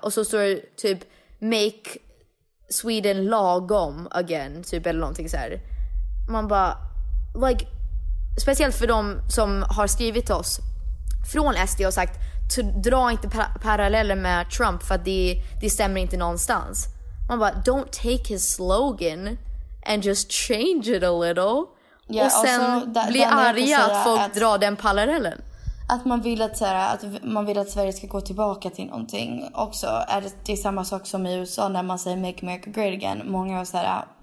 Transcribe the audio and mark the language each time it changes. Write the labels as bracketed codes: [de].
[sv] Och så står det typ [en] make Sweden [sv] lagom again, typ, eller någonting så här. Man bara, like, speciellt för dem som har skrivit oss från SD och sagt, dra inte paralleller med Trump för att det stämmer inte någonstans. Man bara, [en] don't take his slogan and just change it a little. [sv] Ja, och sen blir arga att folk att, drar den parallellen. Att man vill att, så här, att man vill att Sverige ska gå tillbaka till någonting också. Det är samma sak som i USA när man säger [en] make America great again. [sv] Många har så här,